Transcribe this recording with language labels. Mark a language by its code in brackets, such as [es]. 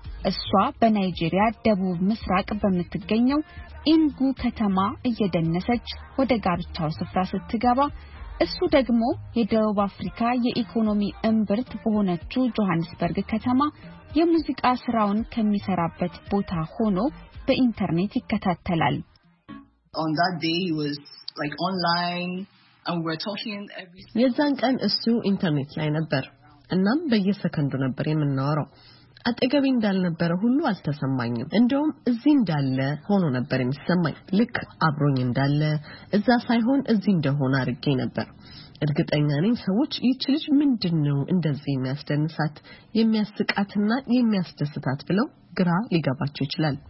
[am] እሷ በናይጄሪያ ደቡብ ምስራቅ በምትገኘው ኢንጉ ከተማ እየደነሰች ወደ ጋብቻው ስፍራ ስትገባ፣ እሱ ደግሞ የደቡብ አፍሪካ የኢኮኖሚ እምብርት በሆነችው ጆሃንስበርግ ከተማ የሙዚቃ ስራውን ከሚሰራበት ቦታ ሆኖ በኢንተርኔት ይከታተላል። [en] On that day he was like online and we're talking every [am] የዛን ቀን እሱ ኢንተርኔት ላይ ነበር እናም በየሰከንዱ ነበር የምናወራው። አጠገቤ እንዳልነበረ ሁሉ አልተሰማኝም። እንደውም እዚህ እንዳለ ሆኖ ነበር የሚሰማኝ። ልክ አብሮኝ እንዳለ እዛ ሳይሆን እዚህ እንደሆነ አርጌ ነበር። እርግጠኛ ነኝ ሰዎች ይህች ልጅ ምንድነው እንደዚህ የሚያስደንሳት የሚያስቃትና የሚያስደስታት ብለው ግራ ሊገባቸው ይችላል።